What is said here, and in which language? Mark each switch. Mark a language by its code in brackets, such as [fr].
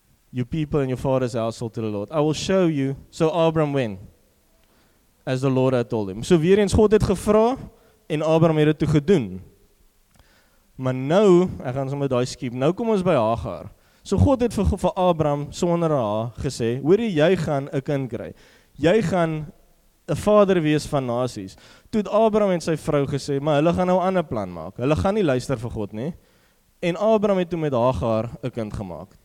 [en] You people and your father's household to the Lord. I will show you. So Abraham went, as the Lord had told him. [af] So weer eens, God het gevra, en Abraham het dit toe gedoen. Maar nou, ek gaan sommer daai skiep, nou kom ons by Hagar. So God het vir Abraham sonder haar gesê, hoorie, jy gaan 'n kind kry. Jy gaan 'n vader wees van nasies. Toe het Abraham en sy vrou gesê, maar hulle gaan nou 'n ander plan maak. Hulle gaan nie luister vir God nie. En Abraham het toe met Hagar 'n kind gemaak.